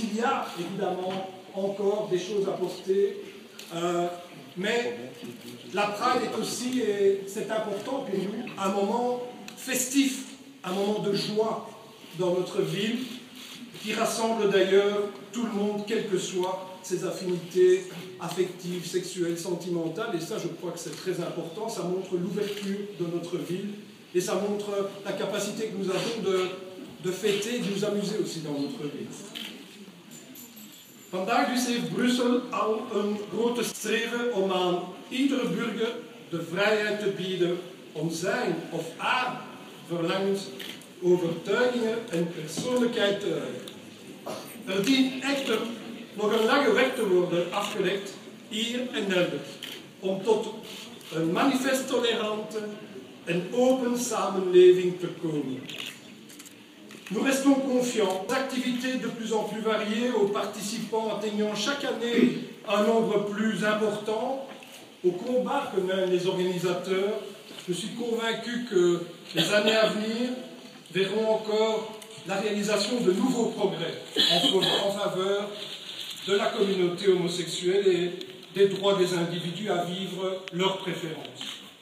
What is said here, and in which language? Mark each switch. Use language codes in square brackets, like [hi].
[fr] Il y a évidemment encore des choses à porter, mais la Pride est aussi, et c'est important pour nous, un moment festif, un moment de joie dans notre ville, qui rassemble d'ailleurs tout le monde, quelles que soient ses affinités affectives, sexuelles, sentimentales. Et ça, je crois que c'est très important, ça montre l'ouverture de notre ville. Et ça montre la capacité que nous avons de fêter, de nous amuser aussi dans notre vie. [nl] Vandaag is in Brussel al een grote streven om aan iedere burger de vrijheid te bieden om zijn of haar verlangens, overtuigingen en persoonlijkheid te uiten. Er dient echter nog een lange weg te worden afgelegd hier en elders om tot een manifest tolerante een open samenleving te komen. [fr] Nous restons confiants aux activités de plus en plus variées, aux participants atteignant chaque année un nombre plus important, au combat que mènent les organisateurs. Je suis convaincu que les années à venir verront encore la réalisation de nouveaux progrès en faveur de la communauté homosexuelle et des droits des individus à vivre leurs préférences.